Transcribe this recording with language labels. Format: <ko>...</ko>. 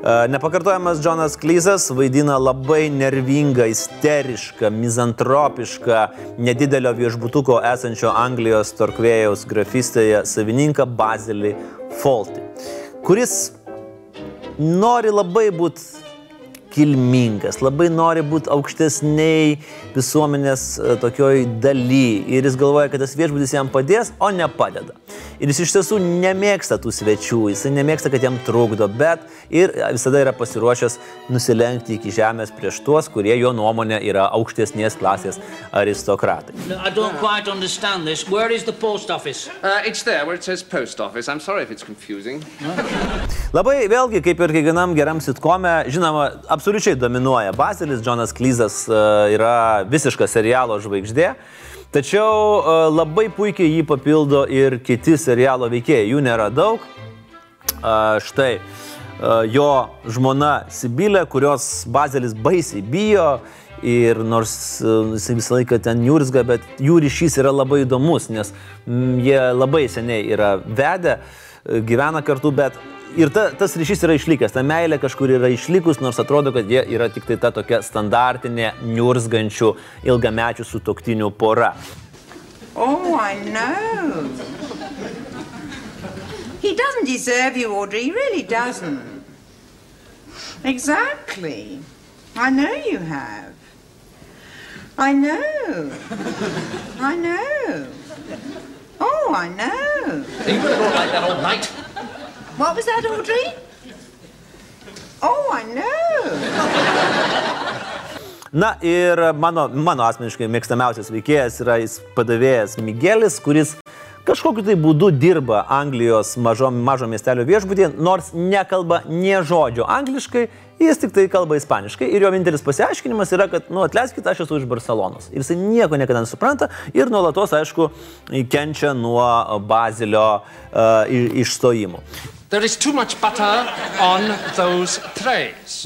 <lt>Nepakartojamas Jonas Klyzas vaidina labai nervingą, isterišką, mizantropišką, nedidelio viešbutuko esančio Anglijos Torkvėjaus grafistėje savininką Basilį Fawlty, kuris nori labai būti kilmingas, labai nori būti aukštesniai visuomenės tokioj daly. Ir jis galvoja, kad tas viešbutis jam padės, o nepadeda. Ir jis iš tiesų nemėgsta tų svečių, jis nemėgsta, kad jam trukdo, bet ir visada yra pasiruošęs nusilenkti iki žemės prieš tuos, kurie jo nuomonė yra aukštesnės klasės aristokratai.</lt> <en>I don't quite understand this. Where is the post office? It's there, where it says post office. I'm sorry if it's confusing.</en> <lt>Labai vėlgi, kaip ir kiekvienam geram sitkome, žinoma, absoliučiai dominuoja Basilis, Jonas Klyzas yra visiška serialo žvaigždė, tačiau labai puikiai jį papildo ir kiti serialo veikėjai, jų nėra daug. Štai, jo žmona Sibylė, kurios Basilis baisiai bijo ir nors jis visą laiką ten niurzga, bet jų ryšys yra labai įdomus, nes jie labai seniai yra vedę, gyvena kartu, bet ir tas ryšys yra išlikęs, ta meilė kažkur yra išlikus, nors atrodo, kad jie yra tik tai ta tokia standartinė, niurzgančių, ilgamečių sutuoktinių pora.</lt> <en>Oh, I know. He doesn't deserve you, Audrey, he really doesn't. Exactly. I know you have. I know. I know. Oh, I know. You were all like that all night. What was that, Audrey? Oh, I know.</en> <lt>Na ir mano asmeniškai mėgstamiausias veikėjas yra jis padavėjas Miguelis, kuris kažkokiu tai būdu dirba Anglijos mažo miestelio viešbutyje, nors nekalba nie žodžio angliškai, jis tik tai kalba ispaniškai ir jo vienintelis pasiaiškinimas yra, kad, nu, atleiskit, aš esu iš Barcelonos. Ir jisai nieko niekada nesupranta ir nuolatos, aišku, kenčia nuo Bazilio išstojimų.</lt> <en>There is too much butter on those trays.</en>